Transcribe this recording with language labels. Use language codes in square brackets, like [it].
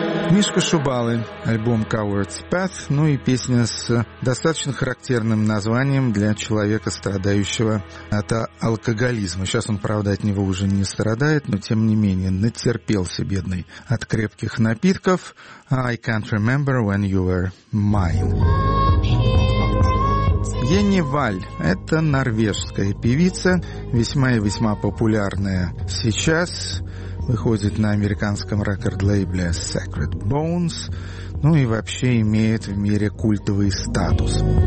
[ru] Мишка Шубалы, альбом Coward's Path, ну и песня с достаточно характерным названием для человека, страдающего от алкоголизма. Сейчас он, правда, от него уже не страдает, но тем не менее натерпелся, бедный, от крепких напитков. [en] «I can't remember when you were mine». [ru] Йенни Валь – это норвежская певица, весьма и весьма популярная сейчас. Выходит на американском рекорд-лейбле Sacred Bones, ну и вообще имеет в мире культовый статус.